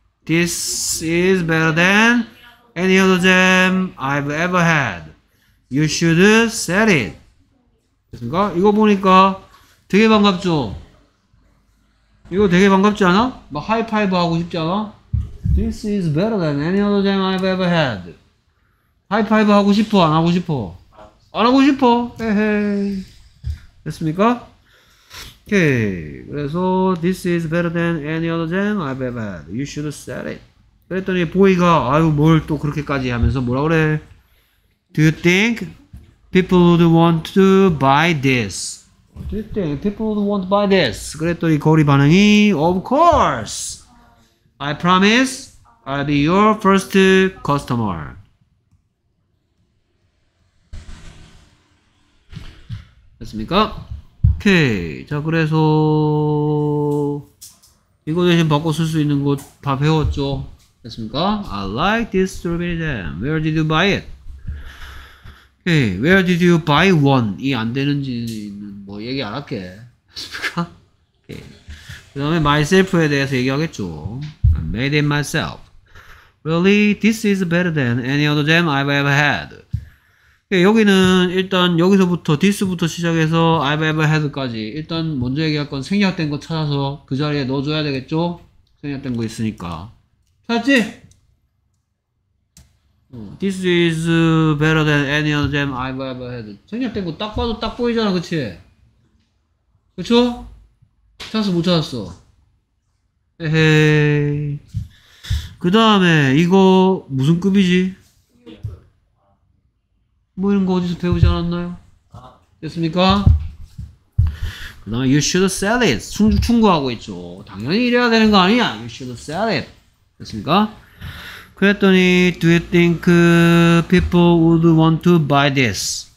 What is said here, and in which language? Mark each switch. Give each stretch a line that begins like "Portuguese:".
English: This is better than any other jam I've ever had. You should sell it.
Korean: 됐습니까? 이거 보니까 되게 반갑죠? 이거 되게 반갑지 않아? 막 하이파이브 하고 싶지 않아?
English: This is better than any other jam I've ever had.
Korean: 하이파이브 하고 싶어? 안 하고 싶어? 안 하고 싶어? 헤헤. 됐습니까? 오케이. 그래서
English: This is better than any other jam I've ever had. You should sell it.
Korean: 그랬더니 보이가 아유 뭘 또 그렇게까지 하면서 뭐라 그래?
English: Do you think people would want to buy this? Do you think people would want to buy this?
Korean: 그랬더니 거리 반응이
English: Of course! I promise I'll be your first customer.
Korean: 됐습니까? 오케이. 자, 그래서 이거 대신 바꿔 쓸 수 있는 거 다 배웠죠? 됐습니까?
English: I like this strawberry jam. Where did you buy it? 오케이. Where did you buy one?
Korean: 이 안 되는지는 뭐 얘기 안 할게. 됐습니까? 오케이. 그 다음에 myself에 대해서 얘기하겠죠.
English: I made it myself. Really, this is better than any other jam I've ever had.
Korean: 여기는 일단 여기서부터 this부터 시작해서
English: I've ever had
Korean: 까지 일단 먼저 얘기할 건 생략된 거 찾아서 그 자리에 넣어줘야 되겠죠? 생략된 거 있으니까 찾았지?
English: This is better than any other jam I've ever had.
Korean: 생략된 거 딱 봐도 딱 보이잖아, 그치? 그쵸? 찾았어, 못 찾았어? 에헤이. 그 다음에 이거 무슨 급이지? 뭐 이런 거 어디서 배우지 않았나요? 됐습니까? 그 다음에
English: You should sell it.
Korean: 충고하고 있죠. 당연히 이래야 되는 거 아니야.
English: You should sell it.
Korean: 됐습니까? 그랬더니
English: Do you think people would want to buy this?